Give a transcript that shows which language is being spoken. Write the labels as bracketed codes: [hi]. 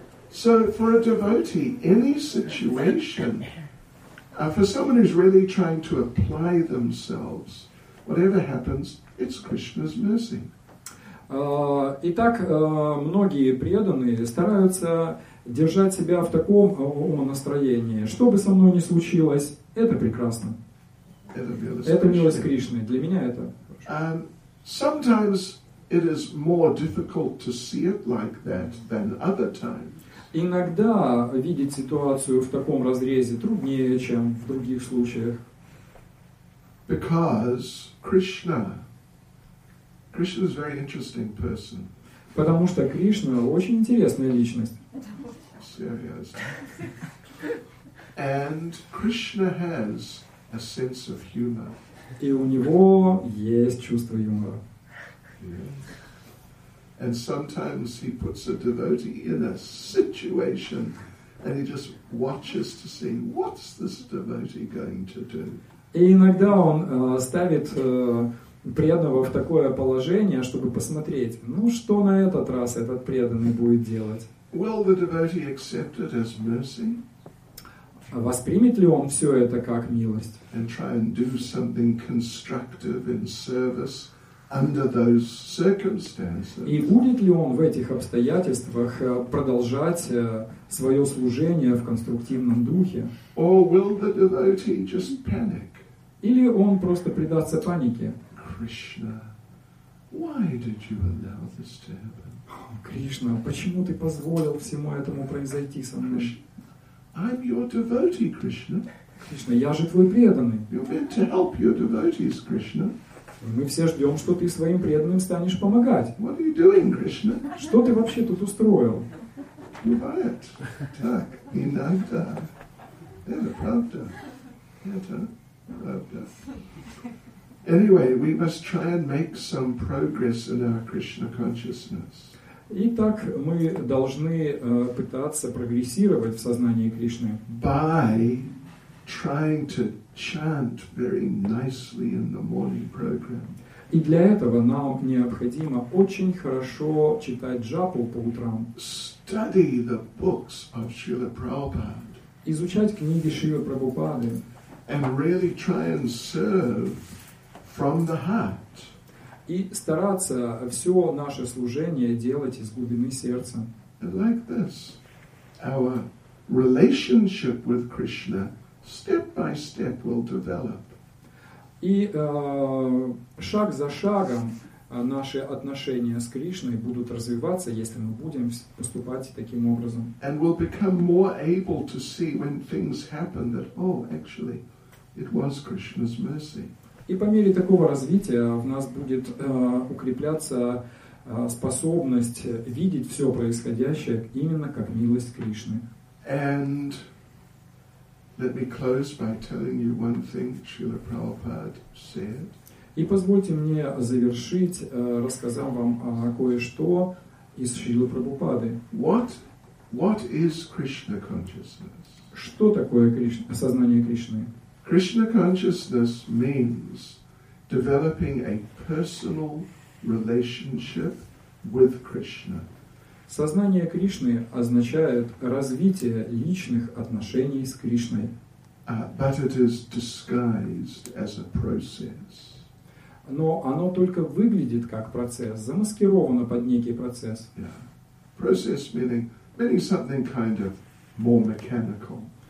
[en] So for a devotee, any situation, for someone who's really trying to apply themselves, whatever happens, it's Krishna's mercy. [ru] Итак, многие преданные стараются держать себя в таком умонастроении. Что бы со мной ни случилось, это прекрасно. Это милость Кришны. Для меня это хорошо. Иногда видеть ситуацию в таком разрезе труднее, чем в других случаях. [en] Because Krishna is a very interesting person. [ru] Потому что Кришна очень интересная личность. [en] Seriously. And Krishna has a sense of humor. [ru] И у него есть чувство юмора. [en] And sometimes he puts a devotee in a situation, and he just watches to see what's this devotee going to do. [ru] И иногда он ставит преданного в такое положение, чтобы посмотреть, ну что на этот раз этот преданный будет делать. [en] Will the devotee accept it as mercy? [ru] Воспримет ли он все это как милость? [en] And try and do something constructive in service. Under those circumstances. [ru] И будет ли он в этих обстоятельствах продолжать свое служение в конструктивном духе? [en] Or will the devotee just panic? [ru] Или он просто предастся панике? [en] Krishna, why did you allow this to happen? [ru] Кришна, почему ты позволил всему этому произойти со мной? [en] Krishna, I'm your devotee, Krishna. [ru] Кришна, я же твой преданный. [en] You're meant to help your devotees, Krishna. [ru] Мы все ждем, что ты своим преданным станешь помогать. [en] What are you doing, Krishna? [ru] Что ты вообще тут устроил? Бывает. Так, иногда. Это правда. Это правда. [en] Anyway, we must try and make some progress in our Krishna consciousness. [ru] Итак, мы должны пытаться прогрессировать в сознании Кришны. [en] By trying to chant very nicely in the morning program. [ru] И для этого нам необходимо очень хорошо читать джапу по утрам. [en] Study the books of Srila Prabhupada. [ru] Изучать книги Шрилы Прабхупады. [en] And really try and serve from the heart. [ru] И стараться все наше служение делать из глубины сердца. [en] And like this, our relationship with Krishna step by step will develop. [ru] И шаг за шагом наши отношения с Кришной будут развиваться, если мы будем поступать таким образом. [en] And we'll become more able to see when things happen that, oh, actually, it was Krishna's mercy. [ru] И по мере такого развития в нас будет укрепляться способность видеть все происходящее именно как милость Кришны. [en] And let me close by telling you one thing Srila Prabhupada said. [ru] И позвольте мне завершить, рассказав вам кое-что из Шрилы Прабхупады. [en] What is Krishna consciousness? [ru] Что такое Кришна, сознание Кришны? [en] Krishna consciousness means developing a personal relationship with Krishna. [ru] Сознание Кришны означает развитие личных отношений с Кришной. [en] But it is disguised as a process. [ru] Но оно только выглядит как процесс, замаскировано под некий процесс. [en] Yeah. Process meaning something kind of more mechanical.